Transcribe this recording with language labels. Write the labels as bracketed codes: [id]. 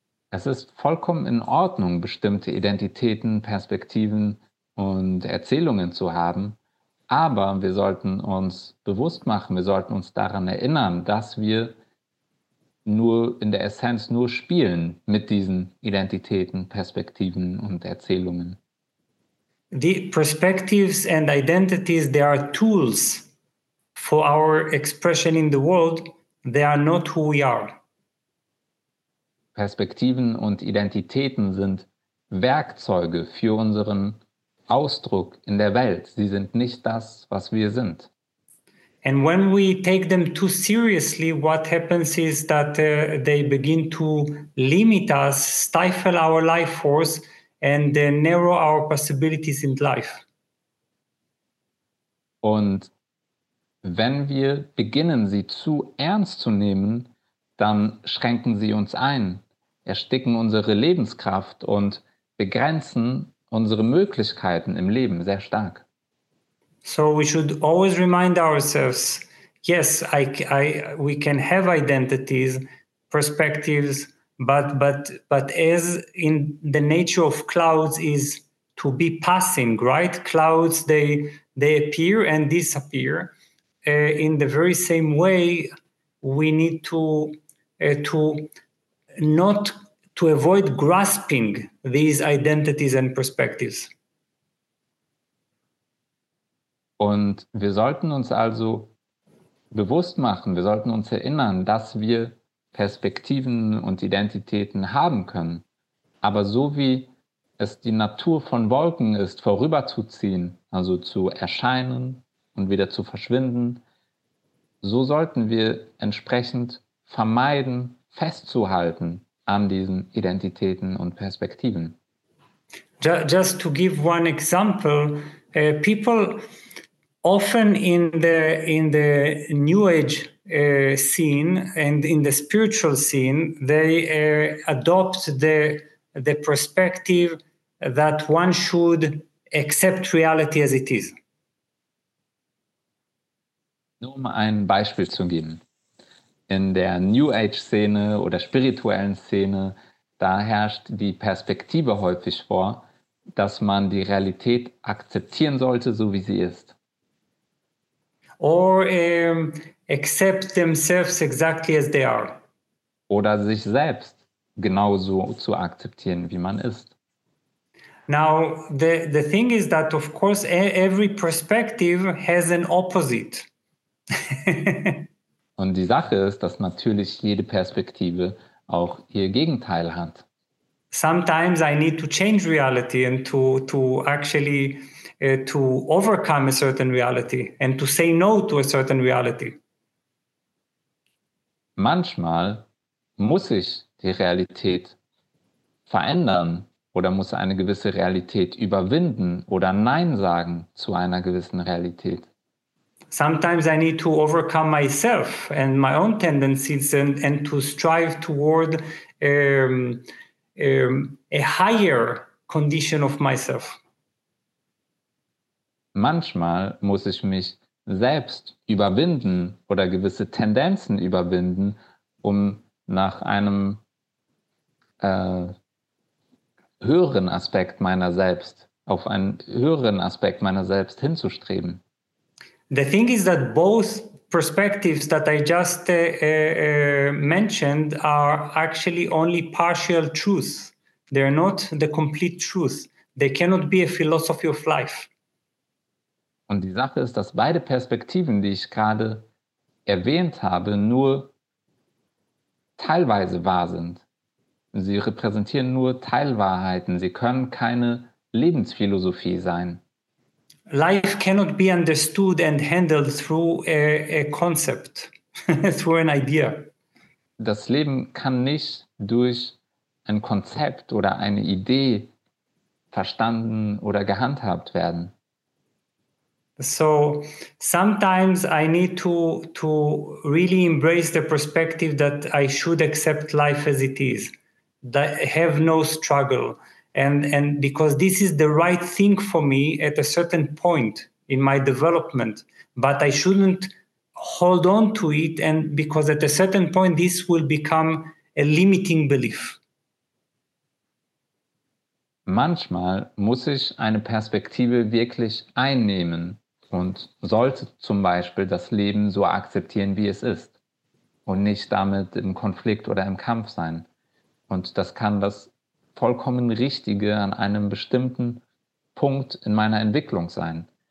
[de] Es ist vollkommen in Ordnung, bestimmte Identitäten, Perspektiven und Erzählungen zu haben, aber wir sollten uns bewusst machen, wir sollten uns daran erinnern, dass wir nur in der Essenz nur spielen mit diesen Identitäten, Perspektiven und Erzählungen. [en] The perspectives and identities, they are tools for our expression in the world. They are not who we are. [de] Perspektiven und Identitäten sind Werkzeuge für unseren Ausdruck in der Welt. Sie sind nicht das, was wir sind. [en] And when we take them too seriously, what happens is that they begin to limit us, stifle our life force and narrow our possibilities in life. [de] Und wenn wir beginnen, sie zu ernst zu nehmen, dann schränken sie uns ein, ersticken unsere Lebenskraft und begrenzen unsere Möglichkeiten im Leben sehr stark. [en] So we should always remind ourselves, yes, we can have identities, perspectives, but as in the nature of clouds is to be passing, right? Clouds, they appear and disappear. In the very same way, we need to avoid grasping these identities and perspectives. [de] Und wir sollten uns also bewusst machen, wir sollten uns erinnern, dass wir Perspektiven und Identitäten haben können. Aber so wie es die Natur von Wolken ist, vorüberzuziehen, also zu erscheinen und wieder zu verschwinden, so sollten wir entsprechend vermeiden, festzuhalten an diesen Identitäten und Perspektiven. [en] Just to give one example, people often in the New Age scene and in the spiritual scene, they adopt the perspective that one should accept reality as it is. [de] Nur um ein Beispiel zu geben. In der New Age-Szene oder spirituellen Szene, da herrscht die Perspektive häufig vor, dass man die Realität akzeptieren sollte, so wie sie ist. [en] Or accept themselves exactly as they are. [de] Oder sich selbst genauso zu akzeptieren, wie man ist. [en] Now, the thing is that, of course, every perspective has an opposite. [de] Und die Sache ist, dass natürlich jede Perspektive auch ihr Gegenteil hat. [en] Sometimes I need to change reality and to actually to overcome a certain reality and to say no to a certain reality. [de] Manchmal muss ich die Realität verändern oder muss eine gewisse Realität überwinden oder Nein sagen zu einer gewissen Realität? [en] Sometimes I need to overcome myself and my own tendencies and to strive toward a higher condition of myself. [de] Manchmal muss ich mich selbst überwinden oder gewisse Tendenzen überwinden, um nach einem höheren Aspekt meiner selbst, auf einen höheren Aspekt meiner selbst hinzustreben. [en] The thing is that both perspectives that I just mentioned are actually only partial truths. They are not the complete truth. They cannot be a philosophy of life. [de] Und die Sache ist, dass beide Perspektiven, die ich gerade erwähnt habe, nur teilweise wahr sind. Sie repräsentieren nur Teilwahrheiten. Sie können keine Lebensphilosophie sein. [en] Life cannot be understood and handled through a concept, through an idea. [de] Das Leben kann nicht durch ein Konzept oder eine Idee verstanden oder gehandhabt werden. [en] So sometimes I need to really embrace the perspective that I should accept life as it is, that have no struggle, and because this is the right thing for me at a certain point in my development, but I shouldn't hold on to it, and because at a certain point this will become a limiting belief. [de] Manchmal muss ich eine Perspektive wirklich einnehmen und sollte zum Beispiel das Leben so akzeptieren, wie es ist und nicht damit im Konflikt oder im Kampf sein. Und das kann das vollkommen Richtige an einem bestimmten Punkt in meiner Entwicklung sein.